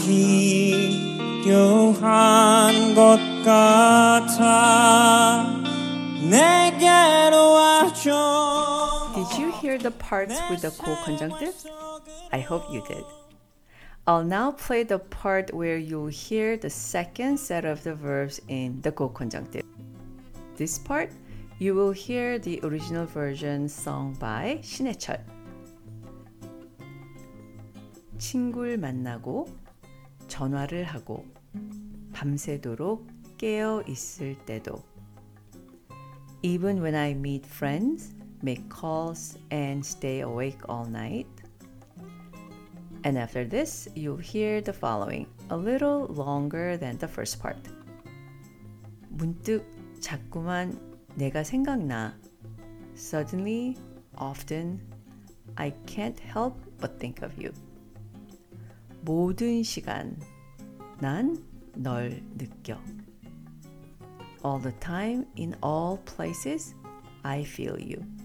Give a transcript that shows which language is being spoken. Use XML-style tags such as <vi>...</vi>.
<ko>필요한 것 같아 내게로 와줘.</ko> <en>Did you hear the parts with the 고 conjunctive? I hope you did. I'll now play the part where you'll hear the second set of the verbs in the 고 conjunctive. This part, you will hear the original version sung by 신해철.</en> <ko>친구를 만나고 전화를 하고 밤새도록 깨어 있을 때도</ko> <en>Even when I meet friends, make calls, and stay awake all night. And after this, you'll hear the following, a little longer than the first part.</en> <ko>문득 자꾸만 내가 생각나.</ko> <en>Suddenly, often, I can't help but think of you.</en> <ko>모든 시간 난 널 느껴</ko> <en>All the time, in all places, I feel you</en>